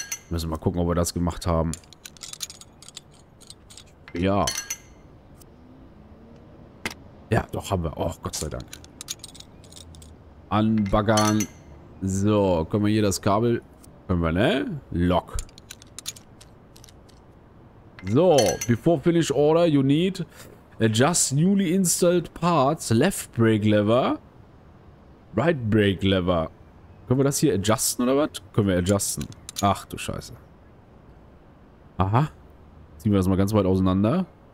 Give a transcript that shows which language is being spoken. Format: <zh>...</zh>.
<de>Müssen wir mal gucken, ob wir das gemacht haben. Ja. Ja, doch, haben wir. Oh, Gott sei Dank. Anbaggern. So, können wir hier das Kabel... Können wir, ne? Lock.</de> <en>So, before finish order, you need... Adjust newly installed parts. Left brake lever. Right brake lever.</en> <de>Können wir das hier adjusten oder was? Können wir adjusten. Ach du Scheiße. Aha. Ziehen wir das mal ganz weit auseinander.</de>